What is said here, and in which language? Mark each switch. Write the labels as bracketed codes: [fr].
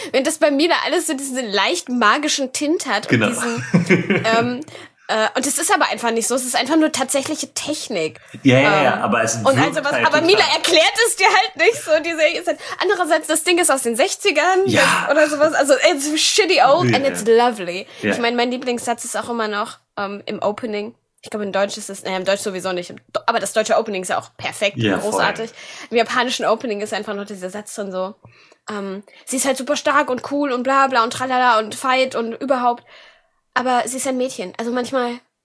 [de] Wenn das bei Mila alles so diesen leicht magischen Tint hat. Genau. Und es ist aber einfach nicht so, es ist einfach nur tatsächliche Technik. Ja, aber es ist also was, halt aber total. Mila erklärt es dir halt nicht so. Diese, andererseits, das Ding ist aus den 60ern oder sowas. [en] Also, it's shitty old and it's lovely. [de] Ja. Ich meine, mein Lieblingssatz ist auch immer noch im Opening. Ich glaube, im Deutsch sowieso nicht. Aber das deutsche Opening ist ja auch perfekt, großartig. Voll. Im japanischen Opening ist einfach nur dieser Satz drin so. Sie ist halt super stark und cool und bla bla und tralala und fight und überhaupt. Aber sie ist ein Mädchen. Also manchmal